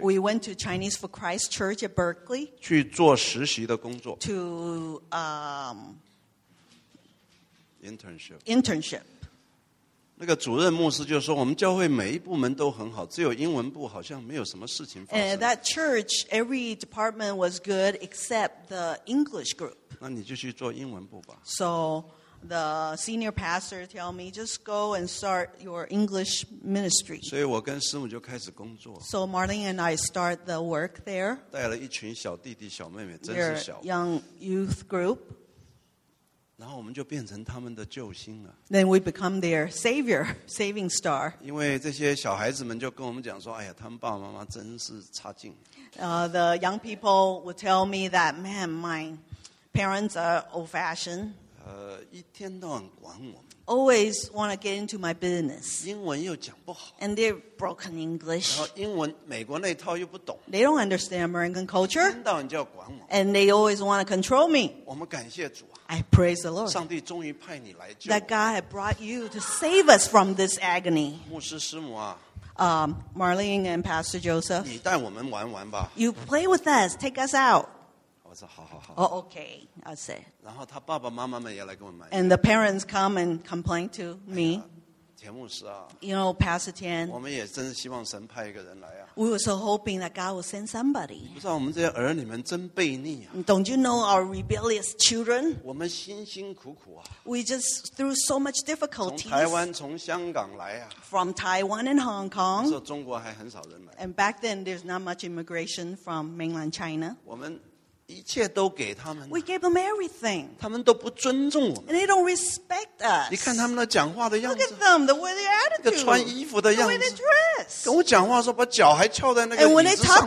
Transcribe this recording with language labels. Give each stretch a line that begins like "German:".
English: we went to Chinese for Christ Church at Berkeley
Chinese: 去做实习的工作,
English: to internship. Internship.
Chinese: 那个主任牧师就说, 我们教会每一部门都很好, 只有英文部, 好像没有什么事情发生。
English: And that church, every department was good except the English group.
Chinese: 那你就去做英文部吧。
English: So the senior pastor tell me, just go and start your English ministry. So Marlene and I start the work there.
Chinese: 带了一群小弟弟小妹妹,
English: their young youth group.
Chinese: 然后我们就变成他们的救星了。
English: Then we become their savior, saving star.
Chinese: 因为这些小孩子们就跟我们讲说, 哎呀, 他们爸爸妈妈真是差劲。
English: The young people would tell me that, man, my parents are old-fashioned.
Chinese: 一天到晚管我们,
English: always want to get into my business.
Chinese: 英文又讲不好,
English: and they're broken English.
Chinese: 然后英文, 美国那套又不懂,
English: they don't understand American culture.
Chinese: 一天到晚就要管我,
English: and they always want to control me.
Chinese: 我们感谢主啊,
English: I praise the Lord.
Chinese: 上帝终于派你来救,
English: that God had brought you to save us from this agony.
Chinese: 牧师师母啊,
English: Marlene and Pastor Joseph,
Chinese: 你带我们玩玩吧,
English: you play with us, take us out.
Chinese: 我说好好好,
English: oh, okay, I'll say. And the parents come and complain to me.
Chinese: 哎呀, 田牧师啊,
English: you know, Pastor Tian,
Chinese: 我们也真是希望神派一个人来啊,
English: we were so hoping that God would send somebody.
Chinese: 不知道我们这些儿女们真悖逆啊,
English: don't you know our rebellious children?
Chinese: 我们辛辛苦苦啊,
English: we just through so much difficulties.
Chinese: 从台湾, 从香港来啊,
English: from Taiwan and Hong Kong.
Chinese: 那时候中国还很少人来,
English: and back then, there's not much immigration from mainland China.
Chinese: 我们 一切都给他们,
English: we gave them everything.
Chinese: 他们都不尊重我们,
English: and they don't respect us.
Chinese: 你看他们那讲话的样子,
English: look at them, the way they attitude,
Chinese: 穿衣服的样子,
English: the way they dress.
Chinese: 跟我讲话说把脚还翘在那个椅子上,